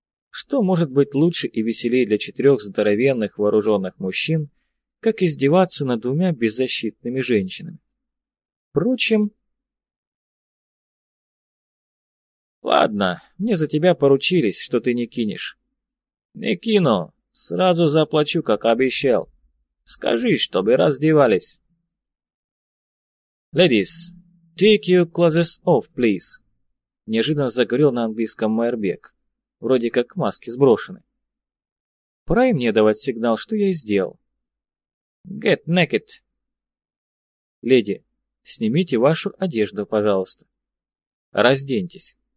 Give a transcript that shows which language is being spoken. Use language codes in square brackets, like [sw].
[ru] Что может быть лучше и веселее для четырех здоровенных вооруженных мужчин, как издеваться над двумя беззащитными женщинами? Впрочем, ладно, мне за тебя поручились, что ты не кинешь. Не кину, сразу заплачу, как обещал. Скажи, чтобы раздевались. [en] Ladies, take your clothes off, please. [ru] Неожиданно заговорил на английском Майербек. Вроде как маски сброшены. Пора и мне давать сигнал, что я и сделал. [en] Get naked. [ru] Леди, снимите вашу одежду, пожалуйста. Разденьтесь.